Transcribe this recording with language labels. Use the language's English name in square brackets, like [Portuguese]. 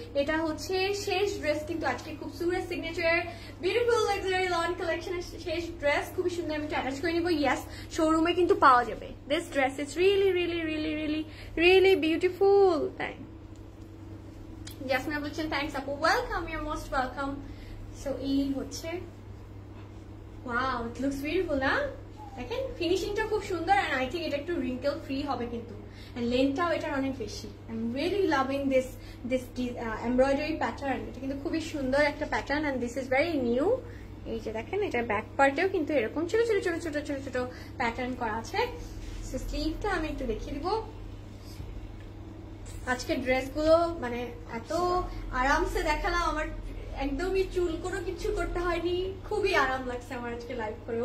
[Bangla] এটা হচ্ছে শেষ ড্রেস কিন্তু আজকে খুবসুরত সিগনেচার বিউটিফুল লাক্সারি লন কালেকশনের শেষ ড্রেস, খুবই সুন্দর, আমি অ্যাটাচ করে নিবো। ইয়াস শোরুমে কিন্তু পাওয়া যাবে। [English] This dress is really really really really really beautiful. [Bangla] জ্যাসমিনা বলছেন [English] Thanks আপু, welcome, you are most welcome. So [Bangla] এই হচ্ছে, [English] wow, it looks beautiful, না? [Bangla] দেখেন ফিনিশিংটা খুব সুন্দর, [English] and I think [Bangla] এটা একটু রিঙ্কেল ফ্রি হবে কিন্তু, and লেন্থটাও এটার অনেক বেশি। [English] I'm really loving this embroidery pattern. [Bangla] এটা কিন্তু খুবই সুন্দর একটা pattern, [English] and this is very new. [Bangla] এই যে দেখেন এটা ব্যাক পার্টেও কিন্তু এরকম ছোট ছোট ছোট ছোট ছোট ছোট প্যাটার্ন করা আছে। সো স্লিভটা আমি একটু দেখিয়ে দিব। আজকে ড্রেসগুলো মানে এত আরামসে দেখালাম, আমার একদমই চুল কোনো কিছু করতে হয়নি, খুবই আরাম লাগছে আমার আজকে লাইভ করে।